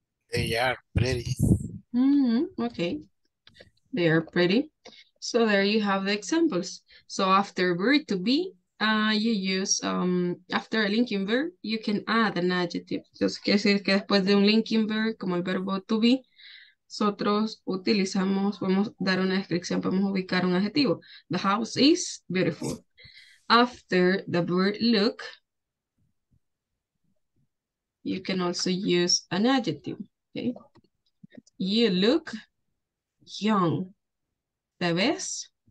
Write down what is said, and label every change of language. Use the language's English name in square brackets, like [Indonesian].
[English] They are pretty. Mm-hmm. Okay. They are pretty. So there you have the examples. So after verb to be, you use, after a linking verb, you can add an adjective. [Spanish] Entonces, quiere decir que después de un linking verb, como el verbo to be, nosotros utilizamos, podemos dar una descripción, podemos ubicar un adjetivo. [English] The house is beautiful. After the verb look, you can also use an adjective. Okay. You look young. [Spanish] ¿Te ves?